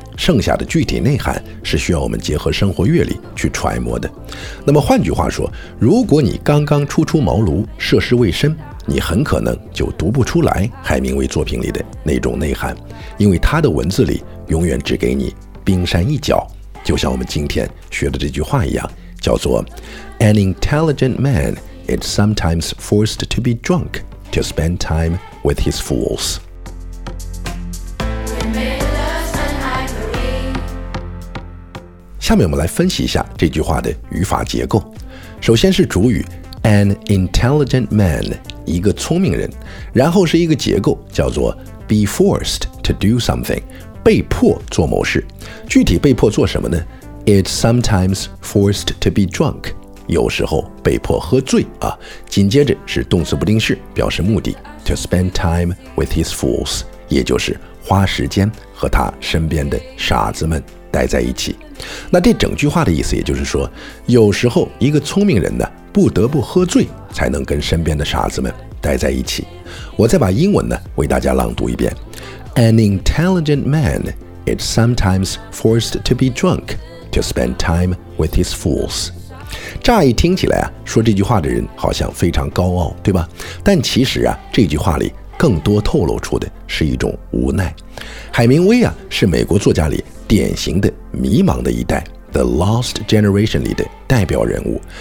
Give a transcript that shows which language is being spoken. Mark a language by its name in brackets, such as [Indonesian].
[Chinese] 剩下的具体内涵是需要我们结合生活阅历去揣摩的。那么换句话说，如果你刚刚初出茅庐，涉世未深，你很可能就读不出来海明威作品里的那种内涵，因为他的文字里永远只给你冰山一角。就像我们今天学的这句话一样，叫做 [English] An intelligent man is sometimes forced to be drunk to spend time with his fools. [Chinese] 下面我们来分析一下这句话的语法结构。首先是主语 [English] an intelligent man， [Chinese] 一个聪明人，然后是一个结构，叫做 [English] be forced to do something， [Chinese] 被迫做某事。具体被迫做什么呢？ [English] It's sometimes forced to be drunk， [Chinese] 有时候被迫喝醉啊。紧接着是动词不定式，表示目的， [English] to spend time with his fools， [Chinese] 也就是花时间和他身边的傻子们待在一起。那这整句话的意思也就是说，有时候一个聪明人呢，不得不喝醉才能跟身边的傻子们待在一起。我再把英文呢为大家朗读一遍。 [English] An intelligent man is sometimes forced to be drunk to spend time with his fools。 [Chinese] 乍一听起来啊，说这句话的人好像非常高傲，对吧？但其实啊，这句话里更多透露出的是一种无奈。海明威啊，是美国作家里典型的迷茫的一代 The Lost Generation 里的代表人物。